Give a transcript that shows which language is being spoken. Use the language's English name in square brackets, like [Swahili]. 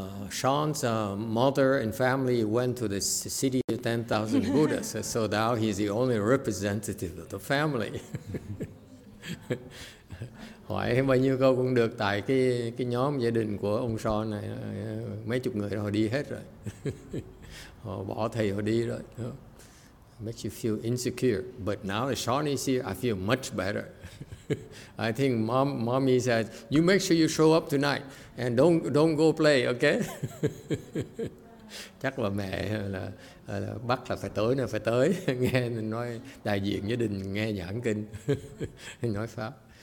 [English] Sean's mother and family went to the city of 10,000 Buddhas, so now he's the only representative of the family. [Vietnamese] Hỏi bao nhiêu câu cũng được tại cái nhóm gia đình của ông Sean này, mấy chục người họ đi hết rồi. Họ bỏ thầy họ đi rồi. [English] Makes you feel insecure. But now that Sean is here, I feel much better. I think mommy said, you make sure you show up tonight and don't go play, okay? [Vietnamese] Chắc là mẹ là bắt là phải tới, nghe nói đại diện gia đình nghe giảng kinh, nói Pháp.